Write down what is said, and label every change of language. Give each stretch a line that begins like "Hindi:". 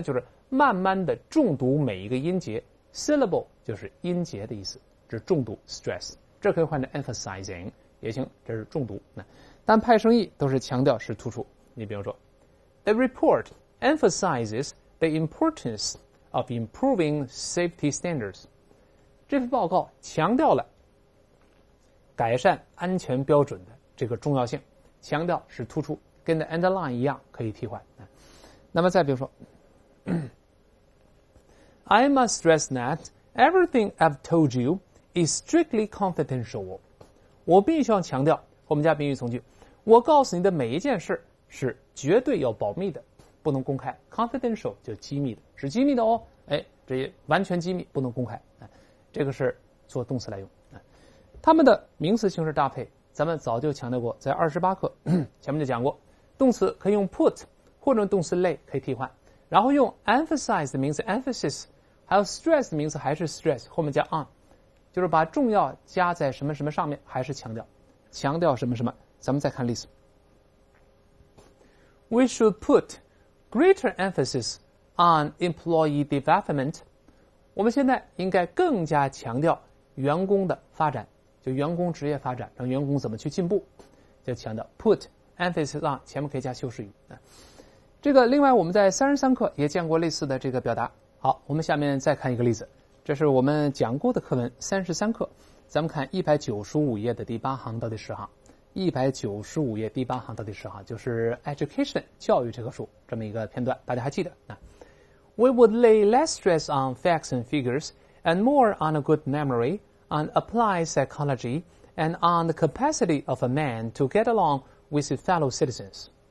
Chinese: 就是慢慢的重读每一个音节。 Syllable 就是音节的意思，这是重读 stress。这可以换成 emphasizing 也行，这是重读。但派生意都是强调是突出。你比如说
English: ，The report emphasizes the importance of improving safety standards.
Chinese: 这份报告强调了改善安全标准的这个重要性。强调是突出跟 the underline 一样可以替换那么再比如说
English: I must stress that everything I've told you is strictly confidential
Chinese: 我必须要强调我们加宾语从句我告诉你的每一件事是绝对要保密的不能公开 confidential 就机密的是机密的哦哎，这也完全机密不能公开这个是做动词来用他们的名词形式搭配咱们早就强调过在28课前面就讲过动词可以用 put 或者动词类可以替换然后用 emphasize 的名词 emphasis 还有 stress 的名词还是 stress 后面加 on 就是把重要加在什么什么上面还是强调什么什么咱们再看例子
English: We should put greater emphasis on employee development
Chinese: 我们现在应该更加强调员工的发展就员工职业发展让员工怎么去进步就强调
English: put emphasis on
Chinese: 前面可以加修饰语这个另外我们在33课也见过类似的这个表达好我们下面再看一个例子这是我们讲过的课文33课咱们看195页的第8行到第10行195页第8行到第10行就是 education 教育这棵树这么一个片段大家还记得
English: We would lay less stress on facts and figures and more on a good memoryon applied psychology and on the capacity of a man to get along with his fellow citizens